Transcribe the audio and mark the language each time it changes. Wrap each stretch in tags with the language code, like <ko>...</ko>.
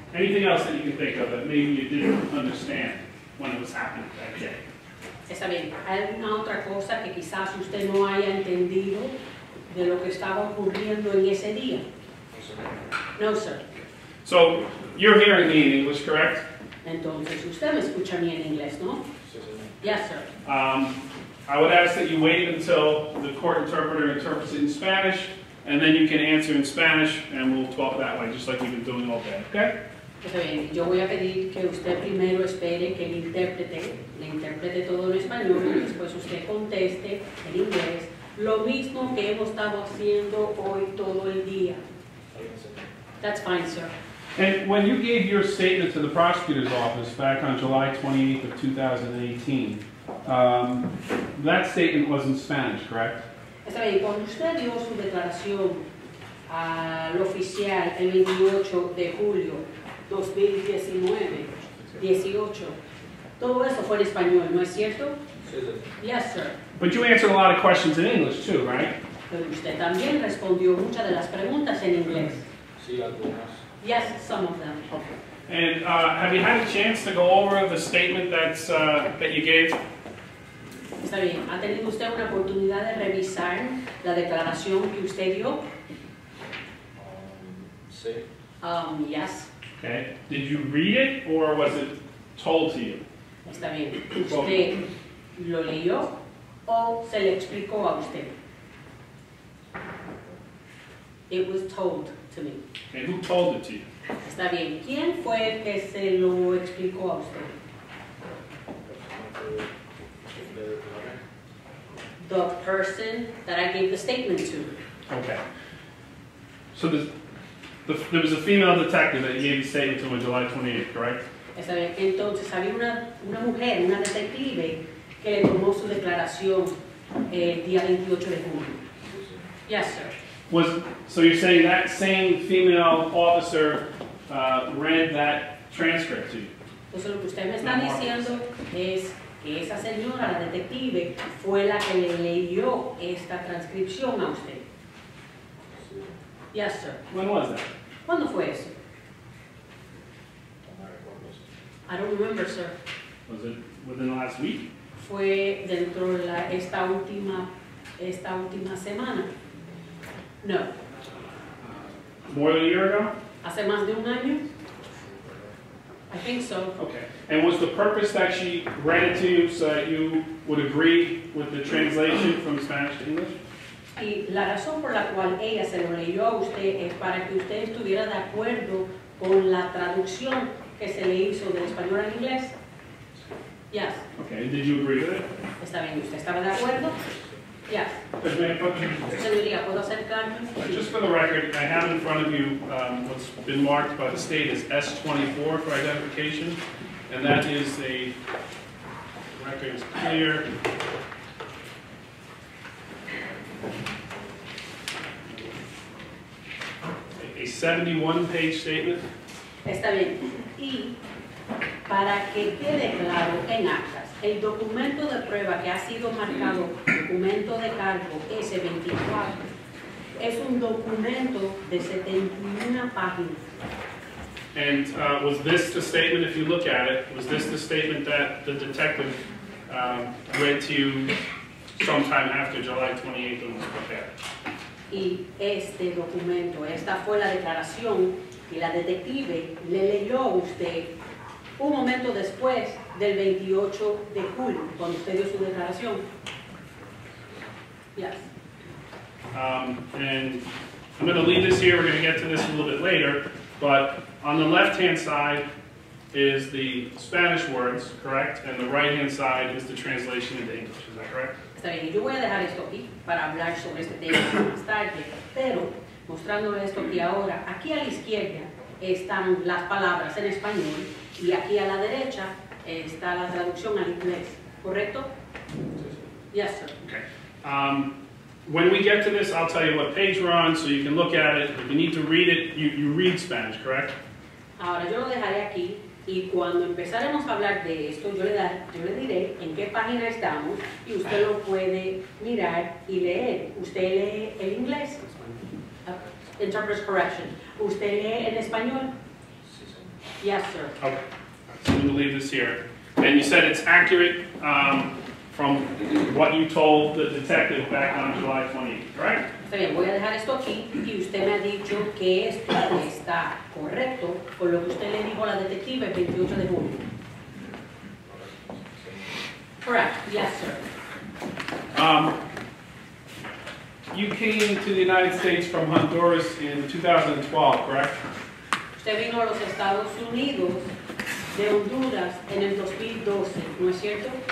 <en>Anything else that you can think of that maybe you didn't understand when it was happening that day?</en> <es>Está bien. ¿Hay alguna otra cosa que quizás usted no haya entendido de lo que estaba ocurriendo en ese día?</es> <en>No, sir. So, you're hearing me in English, correct?</en> <es>Entonces, usted me escucha a mí en inglés, ¿no?</es> <en>Yes, sir. I would ask that you wait until the court interpreter interprets it in Spanish, and then you can answer in Spanish, and we'll talk that way, just like we've been doing all day. Okay?</en> <es>Está bien. Yo voy a pedir que usted primero espere que le interprete todo en español, y después usted conteste en inglés, lo mismo que hemos estado haciendo hoy todo el día.</es> <en>That's fine, sir. And when you gave your statement to the prosecutor's office back on July 28th of 2018, that statement was in Spanish, correct?</en> <es>Está bien. Cuando usted dio su declaración al oficial el 28 de julio 2018, todo eso fue en español, ¿no es cierto?</es> <en>Yes, sir. But you answered a lot of questions in English too, right?</en> <es>Pero usted también respondió muchas de las preguntas en inglés. Sí, algunas.</es> <en>Yes, some of them. Okay. And have you had a chance to go over the statement that you gave?</en> <es>Está bien. ¿Ha tenido usted una oportunidad de revisar la declaración que usted dio? Sí.</es> <en>Yes. Okay. Did you read it or was it told to you?</en> <es>Está bien. ¿Usted lo leyó o se le explicó a usted?</es> <en>It was told to me. And who told it to you?</en> <es>Está bien. ¿Quién fue el que se lo explicó a usted?</es> <en>The person that I gave the statement to. Okay. So there was a female detective that you gave the statement to on July 28th, correct?</en> <es>Está bien. Entonces había una mujer, una detective, que le tomó su declaración el día 28 de julio.</es> <en>Yes, sir. So you're saying that same female officer read that transcript to you?</en> <es>Entonces lo que usted me está diciendo es que esa señora, la detective, fue la que le leyó esta transcripción a usted.</es> <en>Yes, sir. When was that?</en> <es>¿Cuándo fue eso?</es> <en>I don't remember, sir. Was it within the last week?</en> <es>Fue dentro de la, esta última semana. No.</es> <en>More than a year ago?</en> <es>Hace más de un año.</es> <en>I think so. Okay. And was the purpose that she read it to you so that you would agree with the translation from Spanish to English?</en> <es>Y la razón por la cual ella se lo leyó a usted es para que usted estuviera de acuerdo con la traducción que se le hizo del español al inglés.</es> <en>Yes. Okay. And did you agree with it?</en> <es>Está bien. ¿Usted estaba de acuerdo?</es> <en>Yes.</en> <es>Señoría, ¿puedo acercarme?</es> <en>Just for the record, I have in front of you what's been marked by the state as S-24 for identification, and that is a record is clear. A 71-page statement.</en> <es>Está bien. Y para que quede claro en actas, el documento de prueba que ha sido marcado documento de cargo S-24 es un documento de 71 páginas.</es> <en>And was this the statement, if you look at it, was this the statement that the detective read to you sometime after July 28th when it was prepared?</en> <es>Y este documento, esta fue la declaración que la detective le leyó a usted un momento después del 28 de julio, cuando usted dio su declaración.</es> <en>Yes. And I'm going to leave this here, we're going to get to this a little bit later, but on the left-hand side is the Spanish words, correct? And the right-hand side is the translation into English, is that correct?</en> <es>Está bien, yo voy a dejar esto aquí para hablar sobre este tema más tarde, pero mostrándole esto aquí ahora, aquí a la izquierda están las palabras en español y aquí a la derecha está la traducción al inglés, ¿correcto?</es> <en>Yes, sir. Okay. When we get to this, I'll tell you what page we're on so you can look at it. If you need to read it, you read Spanish, correct?</en> <es>Ahora, yo lo dejaré aquí. Y cuando empezaremos a hablar de esto, yo le diré en qué página estamos y usted lo puede mirar y leer. ¿Usted lee el inglés?</es> <en>Interpreter's correction.</en> <es>¿Usted lee en español?</es> <en>Yes, sir. Okay. I'm going to leave this here. And you said it's accurate from what you told the detective back on July 20th, right?</en> <es>Bien, voy a dejar esto aquí y usted me ha dicho que esto está correcto con lo que usted le dijo a la detective el 28 de julio.</es> <en>Correct, yes, sir. You came to the United States from Honduras in 2012, correct?</en> <es>Usted vino a los Estados Unidos de Honduras en el 2012, ¿no es cierto?</es>